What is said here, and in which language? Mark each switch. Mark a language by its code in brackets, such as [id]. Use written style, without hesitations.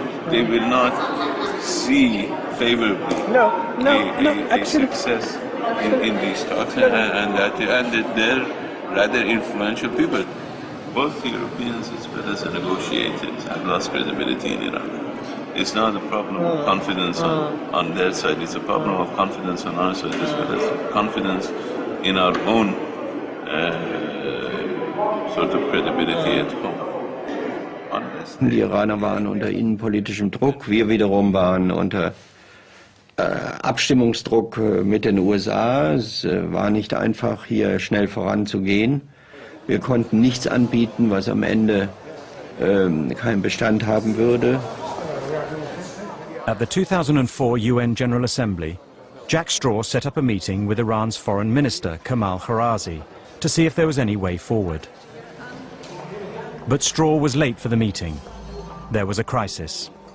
[en] They will not see favorably. No, absolute success in these talks, and that they're rather influential people. Both the Europeans as well as the negotiators have lost credibility in Iran. It's not a problem of confidence on their side, it's a problem of confidence on our side as well as confidence in our own sort of credibility at home. [de] Die Iraner waren unter innenpolitischem Druck, wir wiederum waren unter Abstimmungsdruck mit den USA. Es war nicht einfach, hier schnell voranzugehen. Wir konnten nichts anbieten, was am Ende keinen Bestand haben würde. [en] At the 2004 UN General Assembly, Jack Straw set up a meeting with Iran's foreign minister, Kamal Harazi, to see if there was any way forward. But Straw was late for the meeting. There was a crisis.